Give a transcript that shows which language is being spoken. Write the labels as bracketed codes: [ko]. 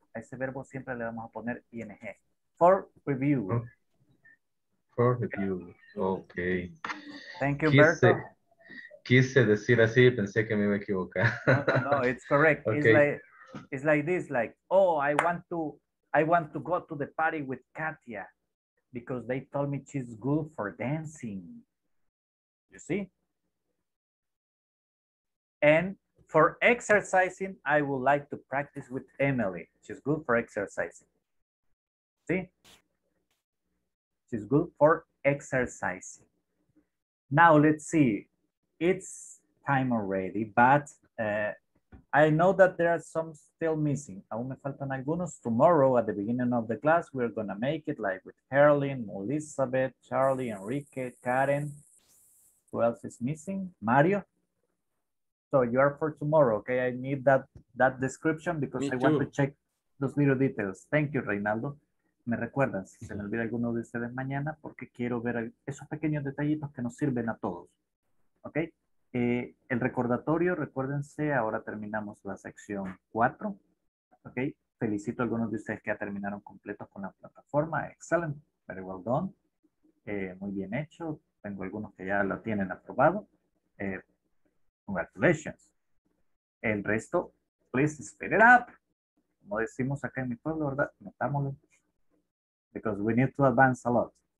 [es] A ese verbo siempre le vamos a poner ing. [en] For review. For review. Okay. Thank you, Humberto. [es] Quise decir así, pensé que me iba a equivocar. [en] No, it's correct. Okay. It's like this, oh, I want to go to the party with Katia because they told me she's good for dancing. You see? And for exercising, I would like to practice with Emily. She's good for exercising. See? She's good for exercising. Now let's see. It's time already, but I know that there are some still missing. [es] Aún me faltan algunos. [en] Tomorrow at the beginning of the class, we're going to make it like with Carolyn, Elizabeth, Charlie, Enrique, Karen. Who else is missing? Mario. So you are for tomorrow, okay? I need that description because I want to check those little details. Thank you, Reinaldo. [es] Me recuerdan si se me olvida alguno de ustedes mañana porque quiero ver esos pequeños detallitos que nos sirven a todos, okay? El recordatorio, recuérdense, ahora terminamos la sección 4, ¿ok? Felicito a algunos de ustedes que ya terminaron completos con la plataforma, [en] excellent, very well done, [es] muy bien hecho, tengo algunos que ya lo tienen aprobado, congratulations. El resto, [en] please speed it up, [es] como decimos acá en mi pueblo, ¿verdad? Metámoslo, [en] because we need to advance a lot.